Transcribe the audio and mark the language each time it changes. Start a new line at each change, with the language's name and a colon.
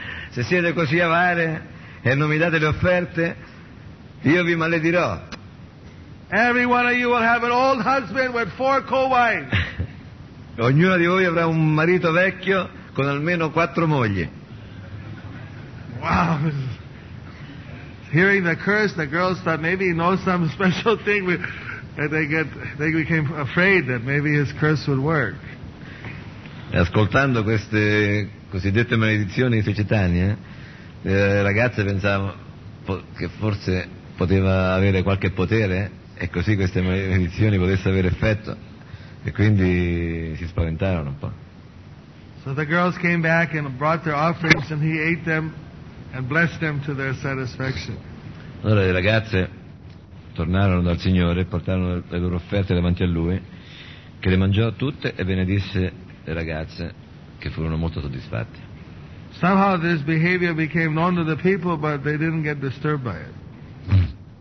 Italian: Se siete così avare e non mi date le offerte, io vi maledirò.
English: Every one of you will have an old husband with four co-wives.
Italian: Ognuno di voi avrà un marito vecchio con almeno quattro mogli.
English: Wow. Hearing the curse, the girls thought maybe he knows some special thing. They became afraid that maybe his curse would work.
Italian: E ascoltando queste cosiddette maledizioni di Cetania, le ragazze pensavano che forse poteva avere qualche potere e così queste maledizioni potessero avere effetto. E quindi si spaventarono un po'.
English: So the girls came back and brought their offerings, and he ate them and blessed them to their satisfaction.
Italian: Allora le ragazze tornarono dal Signore e portarono le loro offerte davanti a Lui, che le mangiò tutte e benedisse le ragazze, che furono molto soddisfatte.
English: Somehow this behavior became known to the people, but they didn't get disturbed by it.